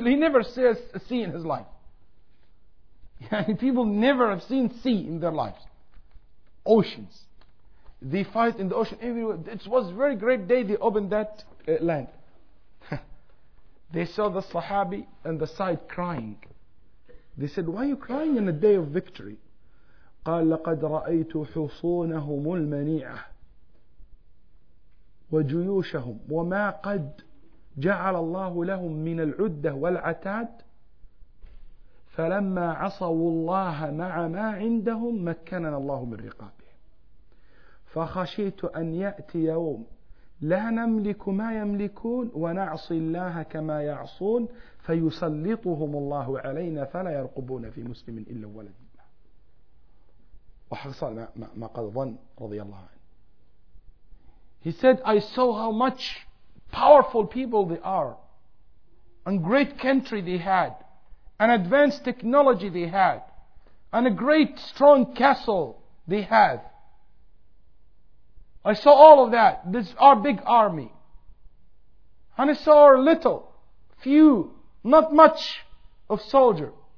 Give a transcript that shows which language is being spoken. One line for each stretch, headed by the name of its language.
English: He never sees a sea in his life. People never have seen sea in their lives. Oceans. They fight in the ocean everywhere. It was a very great day they opened that land. They saw the Sahabi on the side crying. They said, why are you crying on a day of victory?
Arabic: قال لقد رأيت حصونهم المنيعة وجيوشهم وما قد جعل الله لهم من العدة والعتاد فلما عصوا الله مع ما عندهم مكننا الله من رقابهم فخشيت أن يأتي يوم لا نملك ما يملكون ونعصي الله كما يعصون فيسلطهم الله علينا فلا يرقبون في مسلم إلا ولد الله وحصل ما قد ظن رضي الله عنه.
English: He said, I saw how much powerful people they are, and great country they had, an advanced technology they had, and a great strong castle they had. I saw all of that. This is our big army. And I saw our little, few, not much of soldier.